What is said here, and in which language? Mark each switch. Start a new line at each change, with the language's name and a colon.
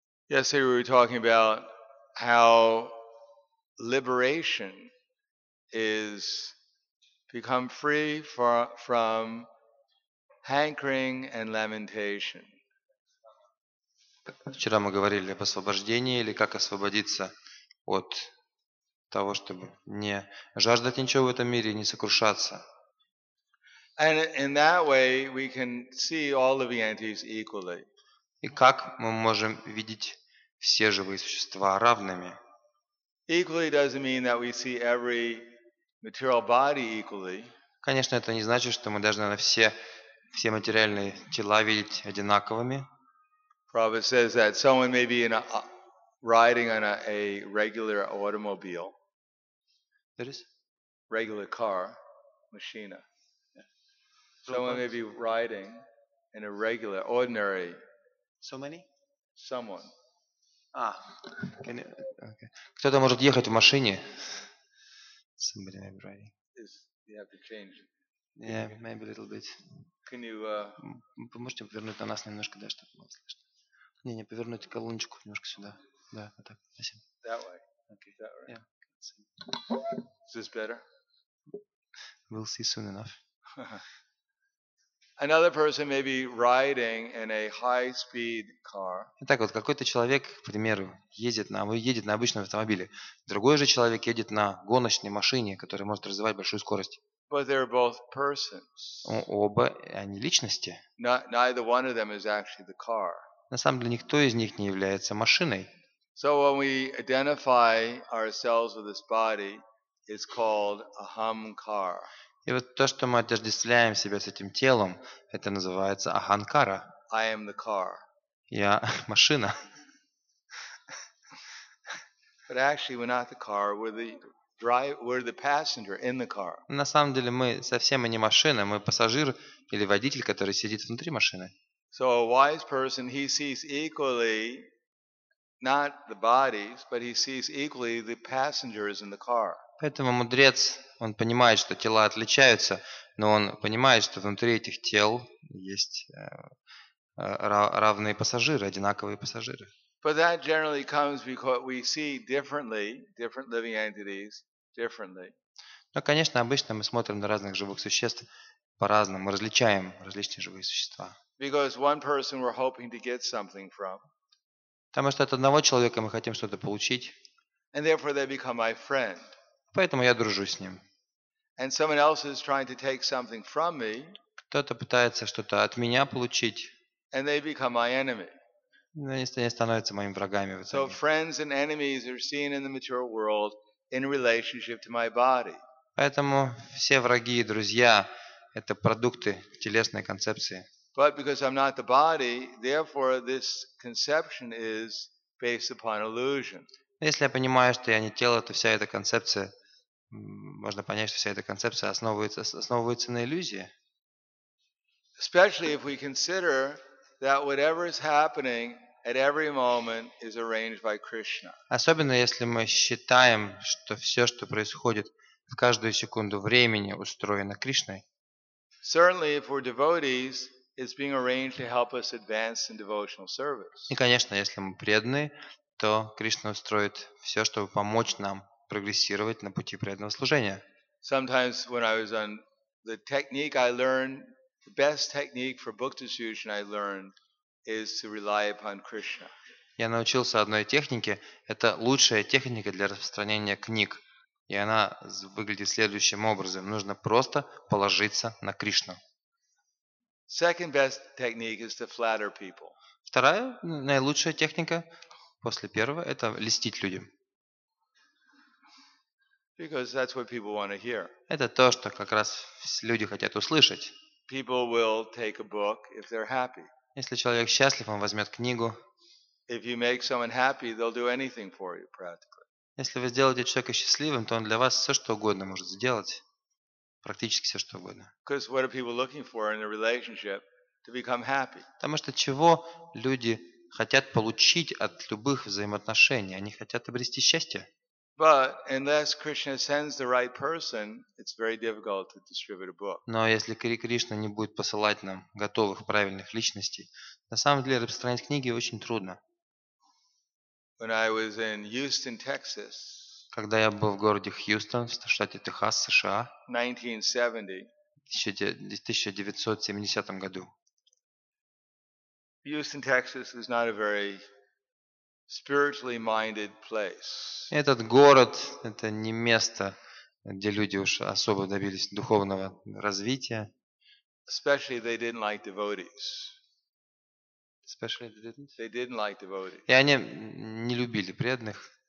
English: Yesterday we were talking about how liberation is become free from hankering and lamentation.
Russian: Вчера мы говорили об освобождении или как освободиться от того, чтобы не жаждать ничего в этом мире и не сокрушаться.
English: And in that way, we can see all livings equally.
Russian: И как мы можем видеть все живые существа равными?
English: Equally doesn't mean that we see every material body equally.
Russian: Конечно, это не значит, что мы должны на все материальные тела видеть одинаковыми.
English: Prabhupada says that someone may be riding on a regular automobile. That is? Regular car, machina. Someone may be riding in a regular, ordinary. So many? Someone. Ah. Can you, okay.
Russian: Кто-то может ехать в машине.
English: Somebody may be riding. You have to change. Yeah, maybe a little bit. Can you?
Russian: Поможете повернуть на нас немножко, да, чтобы было слышно. Не, повернуть колоночку немножко сюда. Да, вот так. Спасибо.
English: That way. Okay. That way. Yeah. Is this better? We'll see soon enough. Another person may be riding in a high-speed car.
Russian: Итак, вот какой-то человек, к примеру, едет на обычном автомобиле. Другой же человек едет на гоночной машине, которая может развивать большую скорость.
English: But they're both persons.
Russian: Оба они личности.
English: Neither one of them is actually the car.
Russian: На самом деле никто из них не является машиной.
English: So when we identify ourselves with this body, it's called ahamkara.
Russian: И вот то, что мы отождествляем себя с этим телом, это называется аханкара.
English: I am the car.
Russian: Я машина.
English: But actually, we're not the car. We're the driver. We're the passenger in the car.
Russian: На самом деле мы совсем не машина. Мы пассажир или водитель, который сидит внутри машины.
English: So a wise person, he sees equally not the bodies, but he sees equally the passengers in the car.
Russian: Поэтому мудрец, он понимает, что тела отличаются, но он понимает, что внутри этих тел есть равные пассажиры, одинаковые пассажиры.
English: But that generally comes because we see differently, different living entities differently.
Russian: Но, конечно, обычно мы смотрим на разных живых существ по-разному, различаем различные живые существа.
English: Because one person we're hoping to get something from.
Russian: Потому что от одного человека мы хотим что-то получить.
English: And therefore they become my friend.
Russian: Поэтому я дружу с ним.
English: And someone else is trying to take something from me.
Russian: Кто-то пытается что-то от меня получить.
English: And they become my enemy.
Russian: Они становятся моими врагами.
English: So friends and enemies are seen in the material world in relationship to my body.
Russian: Поэтому все враги и друзья – это продукты телесной концепции.
English: But because I'm not the body, therefore this conception is based upon illusion.
Russian: Если я понимаю, что я не тело, то вся эта концепция, можно понять, что вся эта концепция основывается на иллюзии.
English: Especially if we consider that whatever is happening at every moment is arranged by Krishna.
Russian: Особенно если мы считаем, что все, что происходит в каждую секунду времени, устроено Кришной.
English: Certainly, if we're devotees, it's being arranged to help us advance in devotional service.
Russian: И, конечно, если мы преданные, то Кришна устроит все, чтобы помочь нам прогрессировать на пути преданного служения.
English: Sometimes when I was on the technique I learned, the best technique for book distribution I learned is to rely upon Krishna.
Russian: Я научился одной технике. Это лучшая техника для распространения книг. И она выглядит следующим образом. Нужно просто положиться на Кришну.
English: Second best technique is to flatter people.
Russian: Вторая наилучшая техника после первого – это льстить людям.
English: Because that's what people want to hear.
Russian: Это то, что как раз люди хотят услышать.
English: People will take a book if they're happy.
Russian: Если человек счастлив, он возьмет книгу.
English: If you make someone happy, they'll do anything for you practically.
Russian: Если вы сделаете человека счастливым, то он для вас все что угодно может сделать. Практически все, что угодно.
English: Because what are people looking for in a relationship to become happy?
Russian: Потому что чего люди хотят получить от любых взаимоотношений? Они хотят обрести счастье.
English: But unless Krishna sends the right person, it's very difficult to distribute a book.
Russian: Но если Кришна не будет посылать нам готовых правильных личностей, на самом деле распространять книги очень трудно.
English: When I was in Houston, Texas.
Russian: Когда я был в городе Хьюстон, в штате Техас, США.
English: 1970. Houston, Texas is not a very spiritually minded place.
Russian: Этот город это не место, где люди уж особо добились духовного развития.
English: Especially they didn't like devotees. Especially they didn't. They didn't like devotees.
Russian: И они не любили преданных.